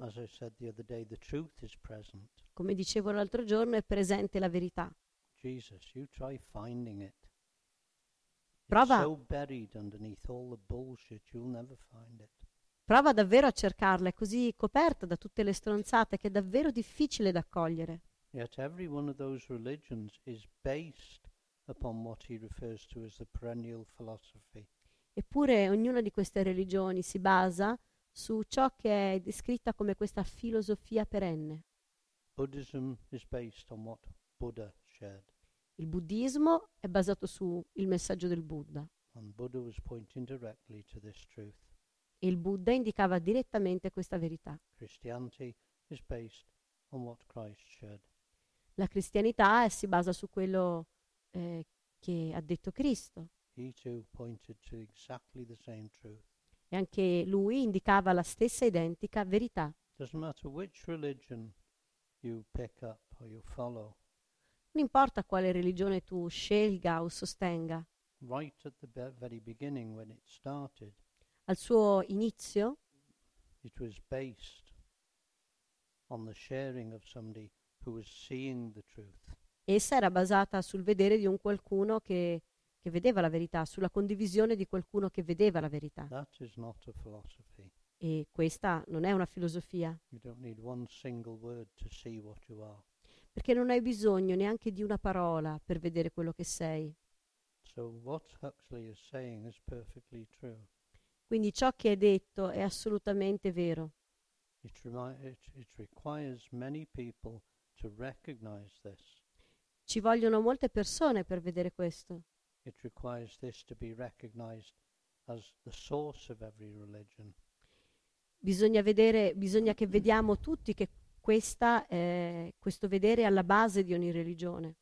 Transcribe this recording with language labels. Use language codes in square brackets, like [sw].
[en] as I said the other day, the truth is present. [it] Come dicevo l'altro giorno, è presente la verità. [en] Jesus, you try finding it. [it] Prova. [en] It's so buried underneath all the bullshit, you'll never find it. [it] Prova davvero a cercarla, è così coperta da tutte le stronzate che è davvero difficile da cogliere. [en] Yet every one of those religions is based upon what he refers to as the perennial philosophy. [it] Eppure ognuna di queste religioni si basa su ciò che è descritta come questa filosofia perenne. [en] Buddhism is based on what Buddha shared. [it] Il buddismo è basato su il messaggio del Buddha. [en] And Buddha was pointing directly to this truth. [it] E il Buddha indicava direttamente questa verità. [en] Christianity is based on what Christ shared. [it] La cristianità si basa su quello che ha detto Cristo. [en] He too pointed to exactly the same truth. [it] E anche lui indicava la stessa identica verità. [en] Doesn't matter which religion you pick up or you follow. [it] Non importa quale religione tu scelga o sostenga. [en] Right at the very beginning when it started. [it] Al suo inizio. [en] It was based on the sharing of somebody who was seeing the truth. [it] Essa era basata sul vedere di un qualcuno che vedeva la verità, sulla condivisione di qualcuno che vedeva la verità. [en] That is not a philosophy. [it] E questa non è una filosofia. [en] You don't need one single word to see what you are. [it] Perché non hai bisogno neanche di una parola per vedere quello che sei. [en] So what Huxley is saying is perfectly true. [it] Quindi ciò che è detto è assolutamente vero. [en] It requires many people to recognize this. [it] Ci vogliono molte persone per vedere questo. [en] It requires this to be recognized as the source of every religion. [it] Bisogna che vediamo tutti che questo vedere è alla base di ogni religione.